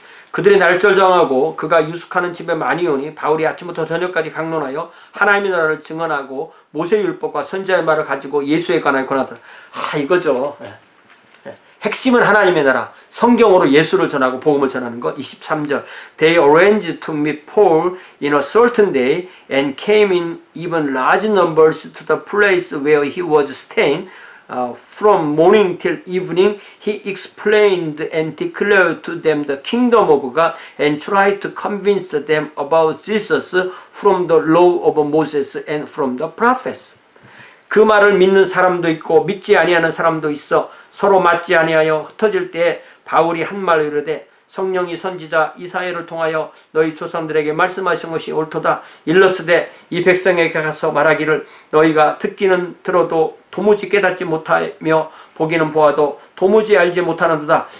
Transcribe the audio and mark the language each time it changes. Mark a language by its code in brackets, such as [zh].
[ko] 그들이 날절정하고 그가 유숙하는 집에 많이 오니 바울이 아침부터 저녁까지 강론하여 하나님의 나라를 증언하고 모세율법과 선지자의 말을 가지고 예수에 관하여 권하더라. 이거죠. 핵심은 하나님의 나라. 성경으로 예수를 전하고 복음을 전하는 것. 23절. [en] They arranged to meet Paul in a certain day and came in even large numbers to the place where he was staying. From morning till evening, he explained and declared to them the kingdom of God and tried to convince them about Jesus from the law of Moses and from the prophets. [ko] 그 말을 믿는 사람도 있고 믿지 아니하는 사람도 있어 서로 맞지 아니하여 흩어질 때 바울이 한 말로 이르되 성령이 선지자 이사야를 통하여 너희 조상들에게 말씀하신 것이 옳도다. 일렀으되 이 백성에게 가서 말하기를 너희가 듣기는 들어도 도무지 깨닫지 못하며 보기는 보아도 도무지 알지 못하는도다.